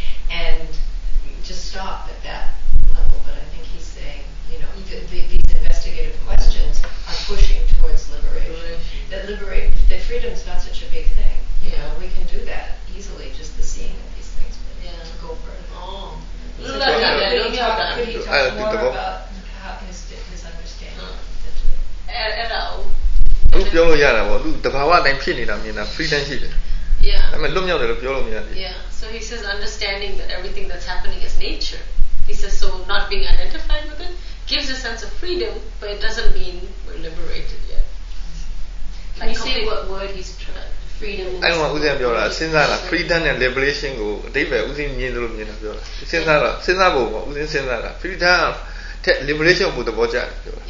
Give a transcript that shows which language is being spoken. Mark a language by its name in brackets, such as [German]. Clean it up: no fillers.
[English] and just stop at that level but I think he's saying you know these investigative questions are pushing towards liberation that freedom is not such a big thing you know we can do that easily just the seeing of these things but yeah to go for it oh so he talks more about his understanding and [Burmese] ပြောလို့ရတာပေါ့လူတဘာဝတိုင်းဖြစ်နေတာမြင်တာ freedom ရှိတယ် [English] yeah [Burmese] ဒါပေမဲ့လွတ်မြောက်တယ်လို့ပြောလို့မရဘူး [English] yeah so he says understanding that everything that's happening is nature he says so not being identified with it gives a sense of freedom but it doesn't mean we're liberated yet can you say what word he's freedom I want [Burmese] ဦးဇင်းပြောတာစဉ်းစားလား freedom နဲ့ liberation ကိုအတိတ်ပဲဦးဇင်းမြင်တယ်လို့မြင်တာပြောတာစဉ်းစားတော့စဉ်းစားဖို့ပေါ့ဦးဇင်းစဉ်းစားတာ freedom ထက် liberation ကိုသဘောကျတယ်ပြော